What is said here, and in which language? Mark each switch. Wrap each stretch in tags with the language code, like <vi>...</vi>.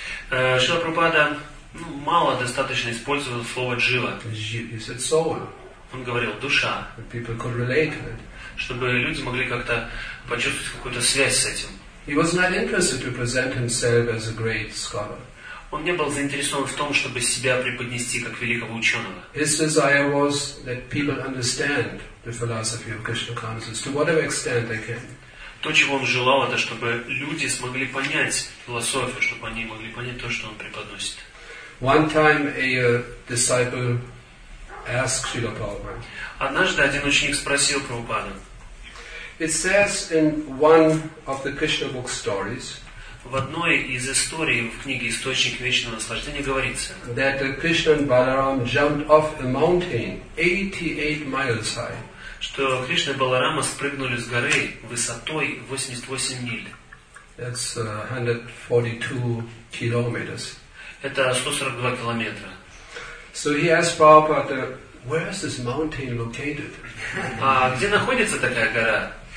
<ru>Srila Prabhupada мало достаточно использовал слово jiva.</ru> <en>He said soul.</en> <ru>Он говорил душа.</ru> <en>That people could relate to it.</en> <ru>Чтобы люди могли как-то почувствовать какую-то связь с этим.</ru> <en>He was not interested to present himself as a great scholar.</en> <ru>Он не был заинтересован в том, чтобы себя преподнести как великого ученого.</ru> <en>His desire was that people understand the philosophy of Krishna consciousness to whatever extent they can.</en> <ru>То, чего он желал, это чтобы люди смогли понять философию, чтобы они могли понять то, что он преподносит.</ru> <en>One time a disciple asked Srila Prabhupada.</en> <ru>Однажды один ученик спросил Прабхупаду.</ru> <en>It says in one of the Krishna book stories,</en> <ru>в одной из историй в книге «Источник вечного наслаждения» говорится,</ru> <en>that Krishna and Balaram jumped off a mountain 88 miles high,</en> <ru>что Кришна и Баларама спрыгнули с горы высотой 88 миль.</ru> <en>That's 142 kilometers.</en> <ru>Это 142 километра.</ru> <en>So he asked Prabhupada, where is this mountain located?</en> <ru>А где находится такая гора?</ru>